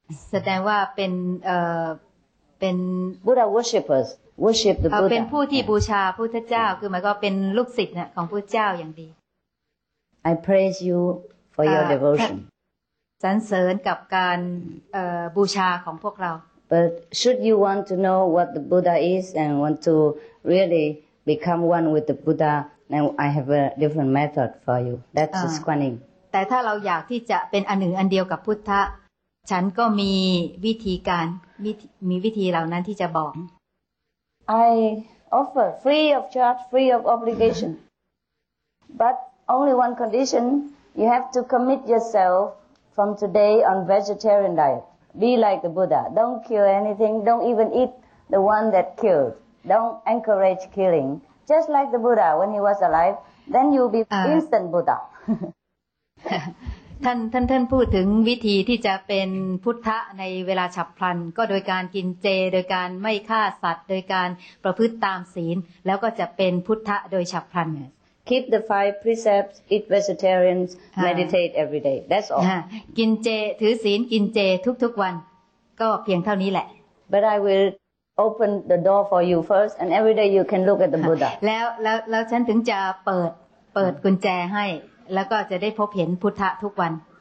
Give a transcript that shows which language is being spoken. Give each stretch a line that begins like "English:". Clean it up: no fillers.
Thai: แสดงว่าเป็น
English: buddha worshippers worship the buddha
Thai: เป็นผู้ที่บูชาพุทธเจ้าคือหมายก็เป็นลูกศิษย์น่ะของพุทธเจ้าอย่างดี
English: I praise you for your devotion
Thai: สรรเสริญกับการบูชาของพวกเรา
English: But should you want to know what the Buddha is and want to really become one with the Buddha then I have a different method for you that's the squanning
Thai: แต่ถ้าเราอยากที่จะเป็นอันหนึ่งอันเดียวกับพุทธะฉันก็มีวิธีการมีวิธีเหล่านั้นที่จะบอก
English: I offer free of charge free of obligation but only one condition you have to commit yourselfFrom today on vegetarian diet, be like the Buddha. Don't kill anything. Don't even eat the one that killed. Don't encourage killing. Just like the Buddha when he was alive, then you'll be instant Buddha.
Thai: ท่านพูดถึงวิธีที่จะเป็นพุทธะในเวลาฉับพลันก็โดยการกินเจโดยการไม่ฆ่าสัตว์โดยการประพฤติตามศีลแล้วก็จะเป็นพุทธะโดยฉับพลัน
English: Keep the five precepts, eat vegetarians, meditate every day. That's all.
Thai: กินเจถือศีลกินเจทุกๆวันก็เพียงเท่านี้แหละ
English: But I will open the door for you first, and every day you can look at the Buddha.
Thai: แล้วฉันถึงจะเปิดกุญแจให้แล้วก็จะได้พบเห็นพุทธะทุกวัน